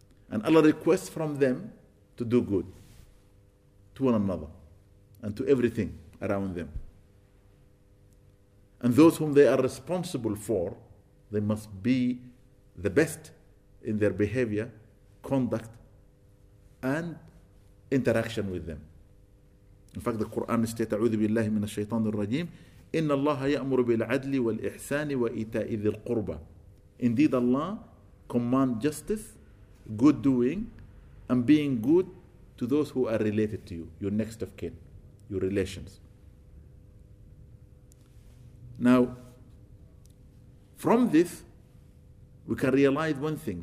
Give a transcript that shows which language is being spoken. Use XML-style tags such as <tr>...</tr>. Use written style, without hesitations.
<en>And Allah requests from them to do good to one another and to everything around them. And those whom they are responsible for, they must be the best in their behavior, conduct, and interaction with them. In fact, the Quran states,</en> <ar>أعوذ بالله من الشيطان الرجيم إن الله يأمر بالعدل والإحسان وإيتاء ذي القربى.</ar> <en>Indeed, Allah command justice, good doing, and being good to those who are related to you, your next of kin, your relations. Now, from this, we can realize one thing.</en>